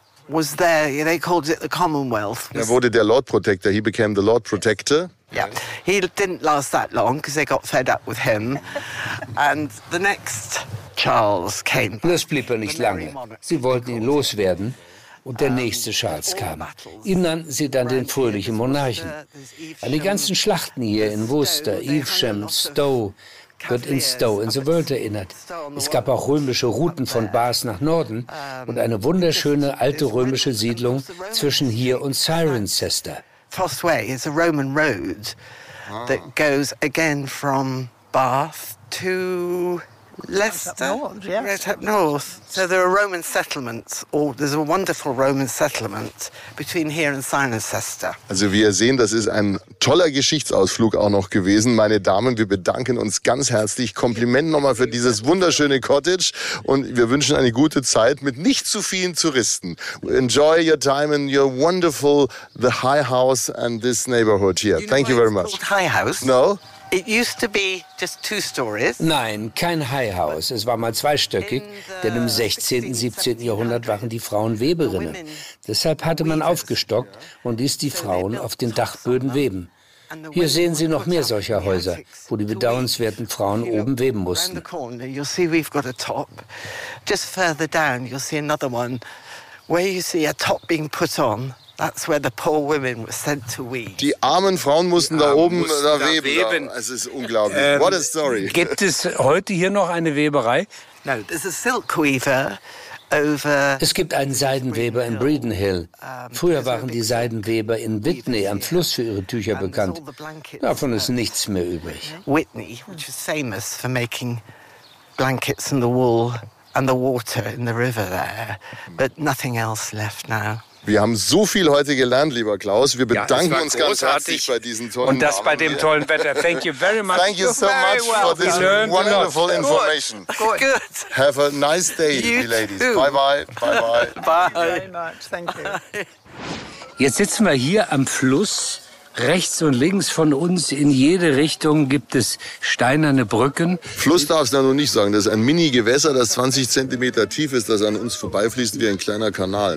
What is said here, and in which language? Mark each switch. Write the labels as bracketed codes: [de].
[de] Er wurde der Lord Protector. [en] He became the Lord Protector. Yeah, he didn't last that long because they got fed up with him. And the next Charles came. [de] Das blieb er nicht lange. Sie wollten ihn loswerden. und der nächste Charles kam. Ihn nannten sie dann den fröhlichen Monarchen. An die ganzen Schlachten hier in Worcester, Evesham, Stowe, wird in Stowe in the World erinnert. Es gab auch römische Routen von Bath nach Norden und eine wunderschöne alte römische Siedlung zwischen hier und Cirencester. [en] Fosway is a Roman road that goes again from Bath to Leicester, right up north. So there are Roman settlements, or there's a wonderful Roman settlement between here and Cirencester. [de] Also wie ihr sehen, das ist ein toller Geschichtsausflug auch noch gewesen. Meine Damen, wir bedanken uns ganz herzlich. Kompliment nochmal für dieses wunderschöne Cottage und wir wünschen eine gute Zeit mit nicht zu vielen Touristen. [en] Enjoy your time in your wonderful, the High House and this neighborhood here. Thank you very much. High House? No. It used to be just two stories. [de] Nein, kein High House. Es war mal zweistöckig, denn im 16., 17. Jahrhundert waren die Frauen Weberinnen. Deshalb hatte man aufgestockt und ließ die Frauen auf den Dachböden weben. Hier sehen Sie noch mehr solcher Häuser, wo die bedauernswerten Frauen oben weben mussten. [en] You'll see we've got a top. Just further down, you'll see another one. Where you see a top being put on. That's where the poor women were sent to weave. [de] Die armen Frauen mussten da oben weben. Es ist unglaublich. [en] What a story. [de] Gibt es heute hier noch eine Weberei? [en] No, there's a silk weaver over. [de] Es gibt einen Seidenweber in Breeden Hill. Früher waren die Seidenweber in Whitney am Fluss für ihre Tücher bekannt. Davon ist nichts mehr übrig. [en] Whitney, which is famous for making blankets and the wool and the water in the river there, but nothing else left now. [de] Wir haben so viel heute gelernt, lieber Klaus. Wir bedanken uns ganz herzlich bei diesen tollen Damen. Und das bei dem tollen Wetter. [en] Thank you very much. Thank you so much for this wonderful information. Good. Have a nice day, you ladies. Bye-bye. Bye-bye. Bye. Thank you very much. Thank you. [de] Jetzt sitzen wir hier am Fluss. Rechts und links von uns in jede Richtung gibt es steinerne Brücken. Fluss darfst du noch nicht sagen. Das ist ein Mini-Gewässer, das 20 Zentimeter tief ist, das an uns vorbeifließt wie ein kleiner Kanal.